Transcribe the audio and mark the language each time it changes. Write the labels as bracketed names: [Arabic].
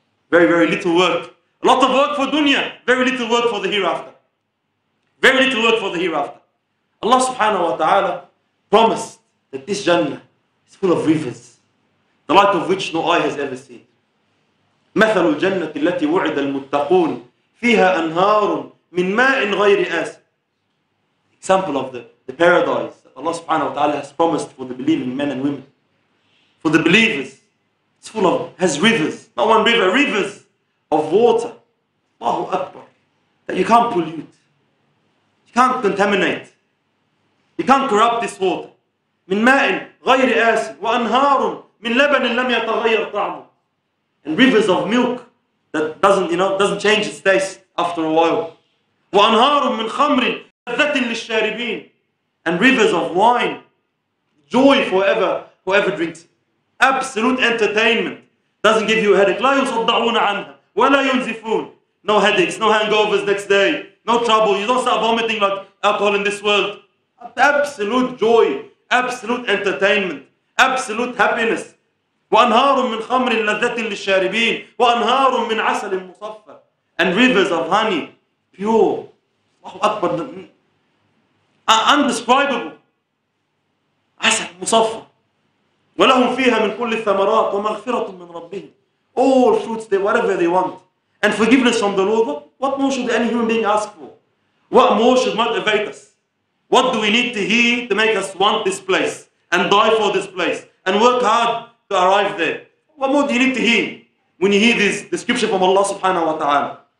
[English] Very, very little work. A lot of work for dunya, very little work for the hereafter. Very little work for the hereafter. Allah subhanahu wa ta'ala promised that this Jannah is full of rivers, the like of which no eye has ever seen. [Arabic] مثل الجنة التي وعد المتقون فيها أنهار من ماء غير آسف. [English] Example of the paradise that Allah subhanahu wa ta'ala has promised for the believing men and women. For the believers, it's full of, has rivers, not one river, rivers of water. Allahu Akbar. That you can't pollute, you can't contaminate. You can't corrupt this water. [Arabic] من ماء غير آسف وأنهار من لبن لم يتغير طعمه. [English] And rivers of milk that doesn't change its taste after a while. [Arabic] وأنهار من خمر لذة للشاربين. [English] And rivers of wine, joy forever, whoever drinks it. Absolute entertainment. Doesn't give you a headache. [Arabic] لا يصدعون عنها ولا ينزفون. [English] No headaches, no hangovers next day. No trouble. You don't start vomiting like alcohol in this world. Absolute joy, absolute entertainment, absolute happiness. [Arabic] وأنهار من خمر لذة للشاربين وأنهار من عسل مصفى. [English] And rivers of honey, pure. [Arabic] الله أكبر. [English] Undescribable. [Arabic] عسل مصفى. ولهم فيها من كل الثمرات ومغفرة من ربهم. [English] All fruits, whatever they want. And forgiveness from the Lord. What more should any human being ask for? What more should motivate us? What do we need to hear to make us want this place and die for this place and work hard to arrive there? What more do you need to hear when you hear this description from Allah subhanahu wa ta'ala?